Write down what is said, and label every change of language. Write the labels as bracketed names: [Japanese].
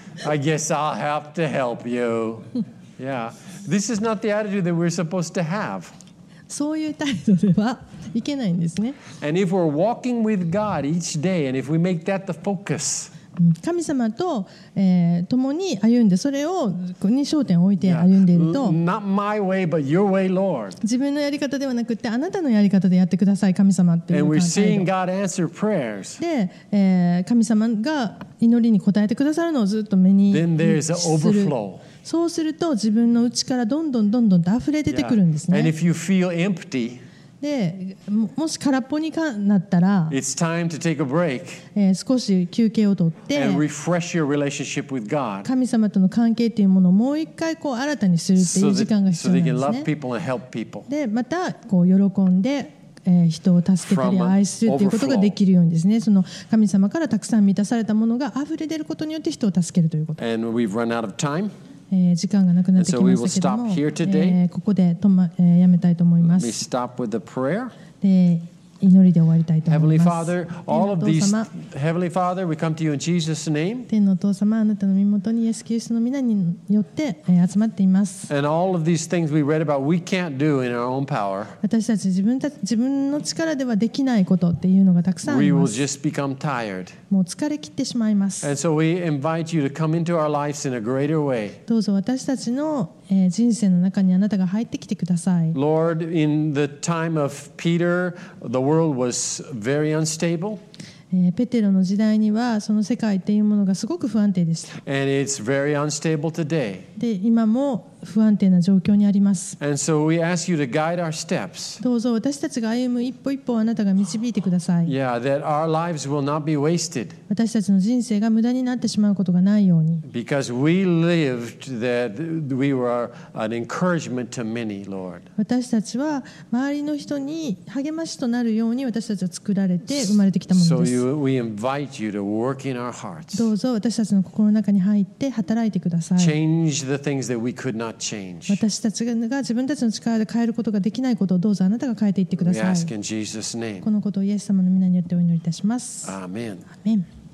[English] I guess I'll have to help you. Yeah. This is not the attitude that we're supposed to have. [Japanese] そういう態度ではいけないんですね。 [English] And if we're walking with God each day, and if we make that the focus, [Japanese] 神様と、共に歩んで、それをここに焦点を置いて歩んでいると、 [English] not my way, but your way, Lord. [Japanese] 自分のやり方ではなくて、あなたのやり方でやってください、神様っていう。 [English] And we're seeing God answer prayers. [Japanese] で、神様が祈りに応えてくださるのをずっと目にする。 [English] Then there's an overflow. [Japanese] そうすると自分の内からどんどんどんどんと溢れ出てくるんですね。 [English] Yeah. And if you feel empty, [Japanese] で、もし空っぽになったら、 [English] it's time to take a break, [Japanese] 少し休憩をとって、 [English] and refresh your relationship with God, [Japanese] 神様との関係というものをもう一回こう新たにするっていう時間が必要なんですね。 [English] So they can love people and help people. [Japanese] で、またこう喜んで、人を助けたり愛するということができるようにですね、その神様からたくさん満たされたものが溢れ出ることによって人を助けるということ。 [English] And we've run out of time. [Japanese] 時間がなくなってきましたけども、ここで止ま、やめたいと思います。 [English] Let me stop with the prayer. [Japanese] で、祈りで終わりたいと思います。 [English] Father, all of these, Heavenly Father, we come to you in Jesus' name. [Japanese] 天のお父様、あなたの御元にイエス・キリストの名によって、集まっています。 [English] And all of these things we read about, we can't do in our own power. [Japanese] 私たち自分の力ではできないことっていうのがたくさんあります。 [English] We will just become tired. [Japanese] もう疲れ切ってしまいます。 [English] And so we invite you to come into our lives in a greater way. [Japanese] どうぞ私たちの人生の中にあなたが入ってきてください。 [English] Lord, in the time of Peter, the world was very unstable. [Japanese] ペテロの時代にはその世界っていうものがすごく不安定でした。 [English] And it's very unstable today. [Japanese] で、今も不安定な状況にあります。 [English] And so we ask you to guide our steps. [Japanese] どうぞ私たちが歩む一歩一歩をあなたが導いてください。 [English] Yeah, that our lives will not be wasted. [Japanese] 私たちの人生が無駄になってしまうことがないように。 [English] Because we lived that we were an encouragement to many, Lord. [Japanese] 私たちは周りの人に励ましとなるように私たちは作られて生まれてきたものです。 [English] So we invite you to work in our hearts. [Japanese] どうぞ私たちの心の中に入って働いてください。 [English] Change the things that we could not. [Japanese] 私たちが自分たちの力で変えることができないことをどうぞあなたが変えていってください。このことをイエス様の御名によってお祈りいたします。アーメン。アーメン。